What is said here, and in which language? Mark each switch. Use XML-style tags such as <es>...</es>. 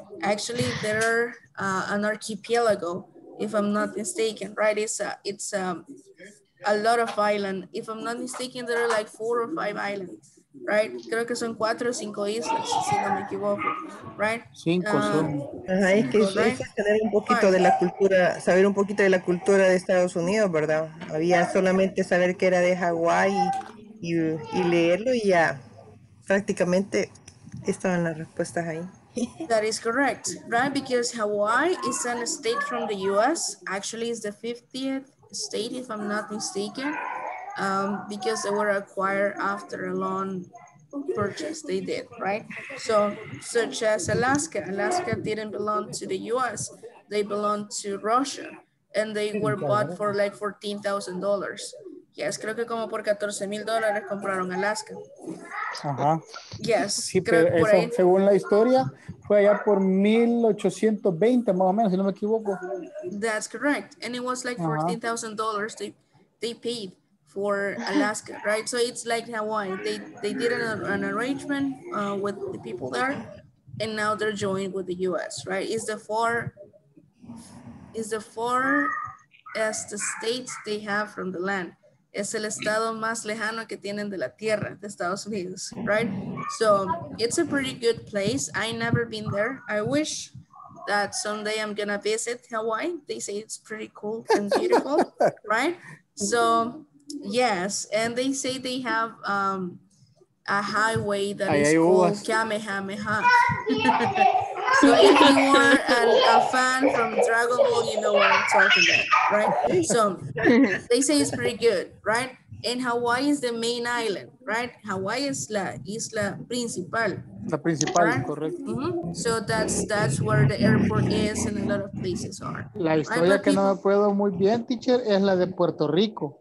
<en>Actually, there are an archipelago, if I'm not mistaken, right? It's a lot of islands. If I'm not mistaken, there are like 4 or 5 islands, right?</en> <es>Creo que son 4 o 5 islas, si no me equivoco,</es> <en>right?</en> <es>5 son. Ajá, es que hay que tener un poquito de la cultura, saber un poquito de la cultura de Estados Unidos, ¿verdad? Había solamente saber que era de Hawaii y leerlo y ya prácticamente estaban las respuestas ahí.</es> <en>That is correct, right? Because Hawaii is a state from the U.S. Actually, it's the 50th state, if I'm not mistaken, because they were acquired after a long purchase they did, right? So, such as Alaska. Alaska didn't belong to the U.S. They belonged to Russia, and they were bought for like $14,000. Yes,</en> <es>creo que como por $14,000 compraron Alaska. Ajá.</es> <en>Yes.</en> <es>Sí, creo, pero eso, según la historia, fue allá por 1820, más o menos, si no me equivoco.</es> <en>That's correct. And it was like $14,000 they paid for Alaska, right? So it's like Hawaii. They did an arrangement with the people there, and now they're joined with the U.S., right? It's the farthest states they have from the land.</en> <es>Es el estado más lejano que tienen de la tierra, de Estados Unidos,</es> <en>right? So, it's a pretty good place. I never been there. I wish that someday I'm gonna visit Hawaii. They say it's pretty cool and beautiful, right? So, yes. And they say they have a highway that is called Kamehameha. So if you are a fan from Dragon Ball, you know what I'm talking about, right? So they say it's pretty good, right? And Hawaii is the main island, right?</en> <es>Hawaii is la isla principal. La principal,</es> <en>right? Correct. Mm-hmm. So that's where the airport is and a lot of places are.</en> <es>La historia,</es> <en>right?</en> <es>Que people... no me puedo muy bien, teacher, es la de Puerto Rico.</es>